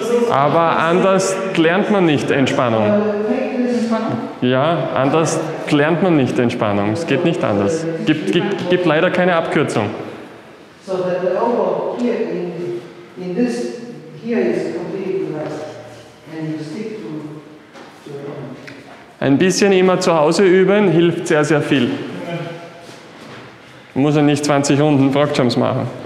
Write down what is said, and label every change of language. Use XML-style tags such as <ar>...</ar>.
<de>Aber anders lernt man nicht Entspannung. Ja, anders lernt man nicht Entspannung. Es geht nicht anders. Gibt leider keine Abkürzung.</de> <en>So that the elbow here in this here is completely relaxed. And you stick to your own.</en> <de>Ein bisschen immer zu Hause üben hilft sehr, sehr viel. Man muss ja nicht 20 Runden Frogjumps machen.</de>